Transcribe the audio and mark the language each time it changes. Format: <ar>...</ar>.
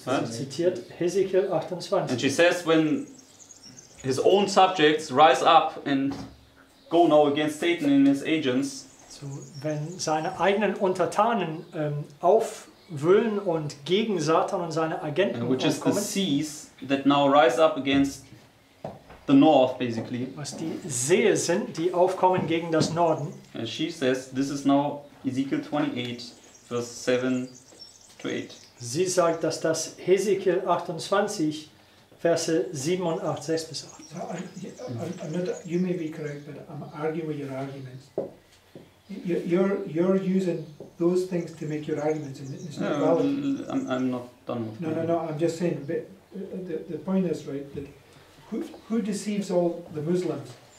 <en>And she says, when his own subjects rise up and go now against Satan and his agents.</en> <de>So, wenn seine eigenen Untertanen Willen und gegen Satan und seine Agenten</de> <en>which is the seas that now rise up against the north, basically.</en> <de>Was die See sind, die aufkommen gegen das Norden.</de> <en>And she says, this is now Ezekiel 28, verse 7 to 8.</en> <de>Sie sagt, dass das Ezekiel 28, Verse 7 und 8, 6 bis 8.</de> <en>So I'm not, you may be correct, but I'm arguing with your arguments. You're using those things to make your arguments. And it's not valid. I'm not done with that. No, I'm just saying, but the point is, right, that who deceives all the Muslims?</en>